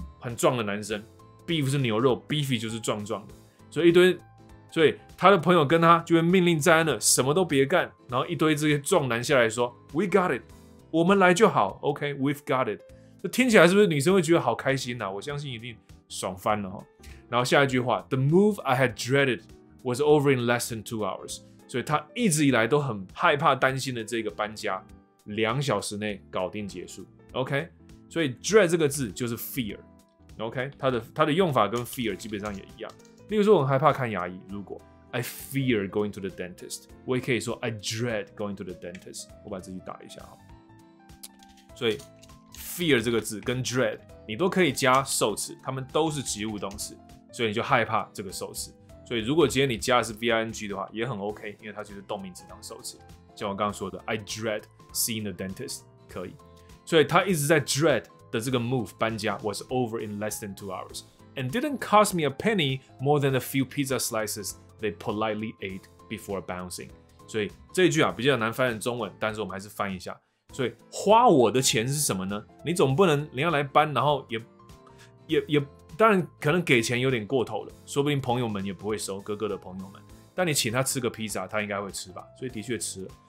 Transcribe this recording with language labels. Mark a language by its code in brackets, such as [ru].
[zh] 很壮的男生 ，beef 是牛肉 ，beefy 就是壮壮的。所以一堆，所以他的朋友跟他就会命令詹了，什么都别干。然后一堆这些壮男下来说 ， [en] We got it， [zh] 我们来就好 ，OK， [en] We've got it。 [zh] 这听起来是不是女生会觉得好开心啊？我相信一定爽翻了哈。然后下一句话 [en] ，The move I had dreaded was over in less than 2 hours。 [zh] 所以他一直以来都很害怕、担心的这个搬家，两小时内搞定结束。 OK， 所以 dread 这个字就是 fear。OK， 它的用法跟 fear 基本上也一样。例如说，我很害怕看牙医。 [en] 如果 I fear going to the dentist， [zh] 我也可以说 [en] I dread going to the dentist。 [zh] 我把自己打一下哈。所以 fear 这个字跟 dread 你都可以加受词，它们都是及物动词，所以你就害怕这个受词。所以如果今天你加的是 ving 的话，也很 OK， 因为它就是动名词当受词。像我刚刚说的 ， [en] I dread seeing the dentist， [zh] 可以。所以他一直在 [en] dread 的这个 move 搬家 was over in less than 2 hours and didn't cost me a penny more than a few pizza slices they politely ate before bouncing。 [zh] 所以这一句啊比较难翻译中文，但是我们还是翻一下。所以花我的钱是什么呢？你总不能你要来搬，然后也当然可能给钱有点过头了，说不定朋友们也不会收，哥哥的朋友们，但你请他吃个披萨他应该会吃吧，所以的确吃了。